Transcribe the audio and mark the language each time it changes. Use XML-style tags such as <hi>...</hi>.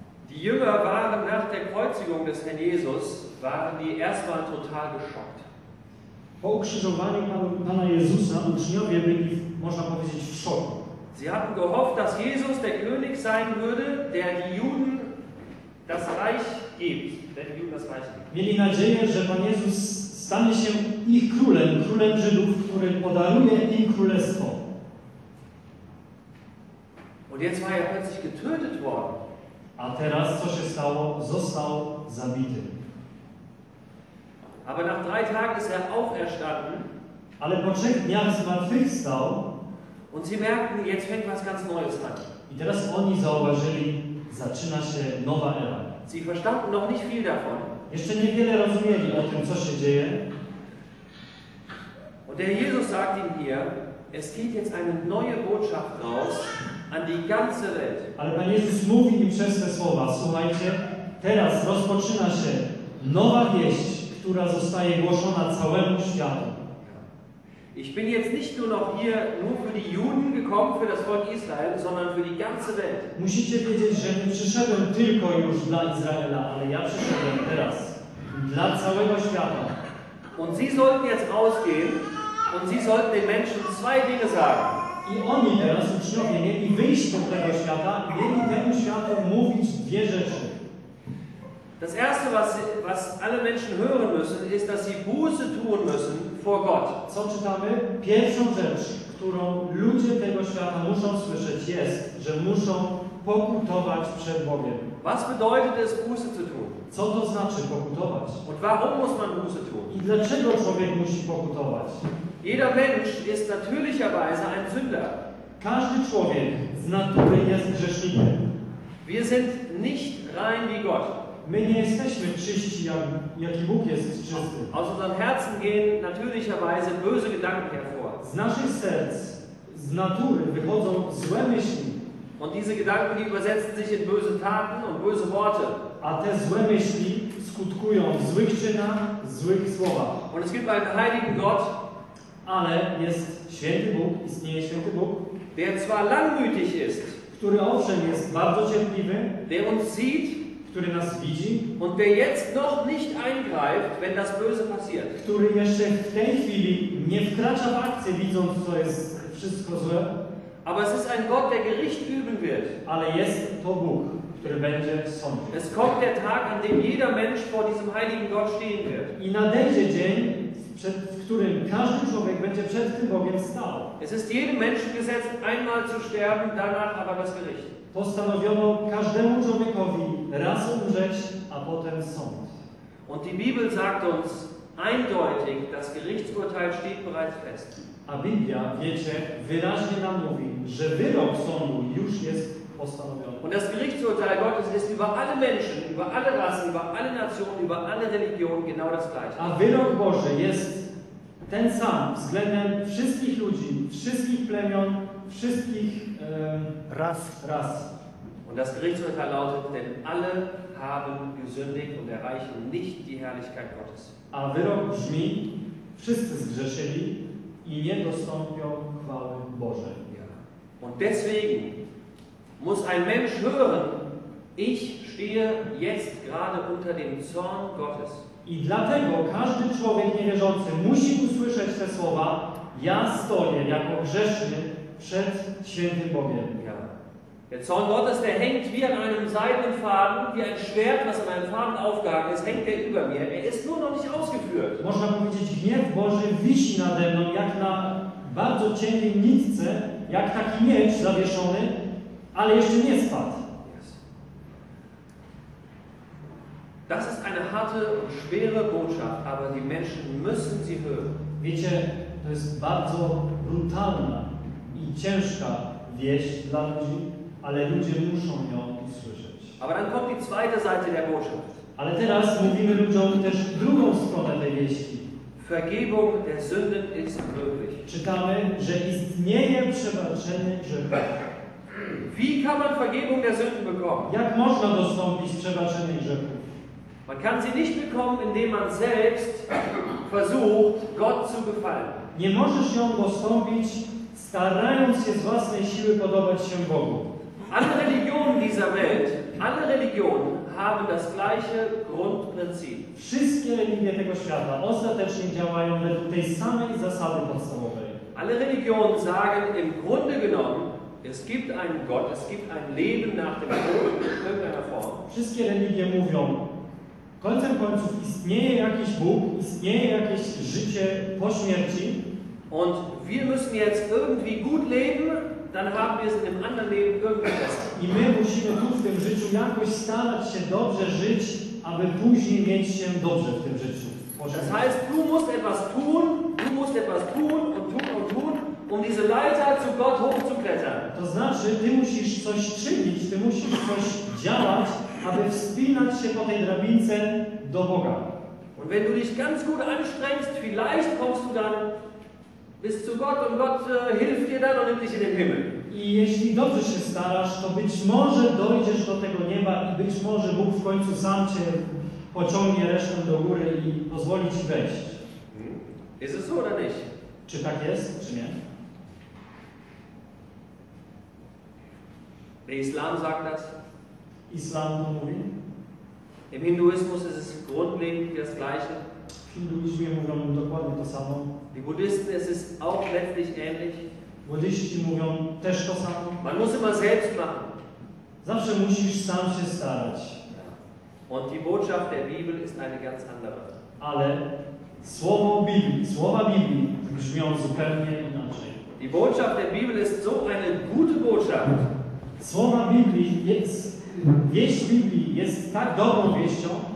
<de>Die Jünger waren nach der Kreuzigung des Herrn Jesus, waren die erstmal total geschockt.</de> <pl>Po ukrzyżowaniu Pana Jezusa uczniowie byli, można powiedzieć, w szoku.</pl> <de>Sie hatten gehofft, dass Jesus der König sein würde, der die Juden das Reich gibt.</de> <pl>Mieli nadzieję, że Pan Jezus stanie się ich królem, królem Żydów, który podaruje im królestwo.</pl> <de>Und jetzt war er plötzlich getötet worden.</de> <pl>A teraz, co się stało, został zabity.</pl> <de>Aber nach drei Tagen ist er auferstanden.</de> <pl>Ale po trzech dniach zmartwychwstał.</pl> <de>Und sie merkten, jetzt fängt was ganz Neues an.</de> <pl>I teraz oni zauważyli, zaczyna się nowa era.</pl> <de>Sie verstanden noch nicht viel davon.</de> <pl>Jeszcze niewiele rozumieli o tym, co się dzieje.</pl> <de>Und der Jesus sagt ihnen hier, es geht jetzt eine neue Botschaft raus an die ganze Welt.</de> <pl>Ale Pan Jezus mówi im przez te słowa, słuchajcie, teraz rozpoczyna się nowa wieść, która zostaje głoszona całemu światu.</pl> <de>Ich bin jetzt nicht nur noch hier nur für die Juden gekommen, für das Volk Israel, sondern für die ganze Welt.</de> <pl>Musicie wiedzieć, że nie przyszedłem tylko już dla Izraela, ale ja przyszedłem teraz dla całego świata.</pl> <de>Und sie sollten jetzt rausgehen und sie sollten den Menschen zwei Dinge sagen.</de> <pl>I oni teraz, uczniowie, mieli wyjść z tego świata, mieli temu światu mówić dwie rzeczy.</pl> <de>Das erste, was alle Menschen hören müssen, ist, dass sie Buße tun müssen vor Gott.</de> <pl>Co czytamy? Pierwszą rzecz, którą ludzie tego świata muszą słyszeć, jest, że muszą pokutować przed Bogiem.</pl> <de>Was bedeutet es, Buße zu tun?</de> <pl>Co to znaczy pokutować?</pl> <de>Und warum muss man Buße tun?</de> <pl>I dlaczego człowiek musi pokutować?</pl> <de>Jeder Mensch ist natürlicherweise ein Sünder.</de> <pl>Każdy człowiek z natury jest grzesznikiem.</pl> <de>Wir sind nicht rein wie Gott.</de> <pl>My nie jesteśmy czyści, jak i Bóg jest czysty.</pl> <de>Aus unserem Herzen gehen natürlicherweise böse Gedanken hervor.</de> <pl>Z naszych serc, z natury wychodzą złe myśli.</pl> <de>Und diese Gedanken übersetzen sich in böse Taten und böse Worte.</de> <pl>A te złe myśli skutkują w złych czynach, w złych słowach.</pl> <de>Und es gibt einen heiligen Gott,</de> <pl>ale jest święty Bóg, istnieje święty Bóg,</pl> <de>der zwar langmütig ist,</de> <pl>który owszem jest bardzo cierpliwy,</pl> <de>der uns sieht,</de> <pl>który nas widzi,</pl> <de>und der jetzt noch nicht eingreift, wenn das Böse passiert,</de> <pl>który jeszcze w tej chwili nie wkracza w akcję, widząc, co jest wszystko złe,</pl> <de>aber es ist ein Gott, der Gericht üben wird.</de> <pl>Ale jest to Bóg, który będzie sądził.</pl> <de>Es kommt der Tag, an dem jeder Mensch vor diesem heiligen Gott stehen wird.</de> <pl>I nadejdzie dzień, w którym każdy człowiek będzie przed tym Bogiem stał.</pl> <de>Es ist jedem Menschen gesetzt, einmal zu sterben, danach aber das Gericht.</de> <pl>Postanowiono każdemu człowiekowi raz umrzeć, a potem sąd.</pl> <de>Und die Bibel sagt uns eindeutig, das Gerichtsurteil steht bereits fest.</de> <pl>A Biblia, wiecie, wyraźnie nam mówi, że wyrok sądu już jest postanowione.</pl> <de>Und das Gerichtsurteil Gottes ist über alle Menschen, über alle Rassen, über alle Nationen, über alle Religionen genau das gleiche.</de> <pl>A wyrok Boży jest ten sam względem wszystkich ludzi, wszystkich plemion, wszystkich ras.</pl> <de>Und das Gerichtsurteil lautet, denn alle haben gesündigt und erreichen nicht die Herrlichkeit Gottes.</de> <pl>A wyrok brzmi, wszyscy zgrzeszyli i nie dostąpią chwały Bożej. Ja.</pl> <de>Und deswegen muss ein Mensch hören, ich stehe jetzt gerade unter dem Zorn Gottes.</de> <pl>I dlatego każdy człowiek niewierzący musi usłyszeć te słowa, ja stoję jako grzeszny przed świętym Bogiem. Ja.</pl> <de>Der Zorn Gottes, der hängt wie an einem seidenen Faden, wie ein Schwert, was an einem Faden aufgehakt ist, hängt er über mir. Er ist nur noch nicht ausgeführt.</de> <pl>Można powiedzieć, gniew Boży wisi nade mną, jak na bardzo cienkiej nitce, jak taki miecz zawieszony, ale jeszcze nie spadł. Yes.</pl> <de>Das ist eine harte und schwere Botschaft, aber die Menschen müssen sie hören.</de> <pl>Wiecie, to jest bardzo brutalna i ciężka wieść dla ludzi, ale ludzie muszą ją usłyszeć.</pl> <de>Aber dann kommt die zweite Seite der Botschaft.</de> <pl>Ale teraz mówimy ludziom też drugą stronę tej wieści.</pl> <de>Vergebung der Sünden ist möglich.</de> <pl>Czytamy, że istnieje przebaczenie grzechów.</pl> <de>Wie kann man Vergebung der Sünden bekommen?</de> <pl>Jak można dostąpić przebaczenia grzechów?</pl> <de>Man kann sie nicht bekommen, indem man selbst versucht, Gott zu gefallen.</de> <pl>Nie możesz ją dostąpić, starając się z własnej siły podobać się Bogu.</pl> <de>Alle Religionen dieser Welt, alle Religionen haben das gleiche Grundprinzip.</de> <pl>Wszystkie religie tego świata ostatecznie działają według tej samej zasady podstawowej.</pl> <de>Alle Religionen sagen im Grunde genommen, es gibt einen Gott, es gibt ein Leben nach dem Tod in irgendeiner Form.</de> <pl>Wszystkie religie mówią, końcem końców istnieje jakiś Bóg, istnieje jakieś życie po śmierci.</pl> <de>Und wir müssen jetzt irgendwie gut leben, dann haben wir es in dem anderen Leben irgendwie besser.</de> <pl>I my musimy tu w tym życiu jakoś starać się dobrze żyć, aby później mieć się dobrze w tym życiu.</pl> <de>Das heißt, du musst etwas tun und tun, um diese Leiter zu Gott hochzuklettern.</de> <pl>To znaczy, ty musisz coś czynić, ty musisz coś działać, aby wspinać się po tej drabince do Boga.</pl> <de>Und wenn du dich ganz gut anstrengst, vielleicht kommst du dann bis zu Gott und Gott hilft dir dann und nimmt dich in den Himmel.</de> <pl>I jeśli dobrze się starasz, to być może dojdziesz do tego nieba i być może Bóg w końcu sam cię pociągnie resztę do góry i pozwoli ci wejść.</pl> <de>Ist es so oder nicht?</de> <pl>Czy tak jest, czy nie?</pl> <de>Der Islam sagt das.</de> <pl>Islam to mówi.</pl> <de>Im Hinduismus ist es grundlegend das gleiche.</de> <pl>W hinduizmie mówią dokładnie to samo.</pl> <de>Die Buddhisten, es ist auch letztlich ähnlich.</de> <pl>Buddhiści mówią też to samo.</pl> <de>Man muss immer selbst machen.</de> <pl>Zawsze musisz sam się starać.</pl> <de>Und die Botschaft der Bibel ist eine ganz andere.</de> <pl>Ale słowa Biblii brzmią zupełnie inaczej.</pl> <de>Die Botschaft der Bibel ist so eine gute Botschaft.</de> <pl>Słowa Biblii jest, wieść Biblii jest tak dobrą wieścią.</pl>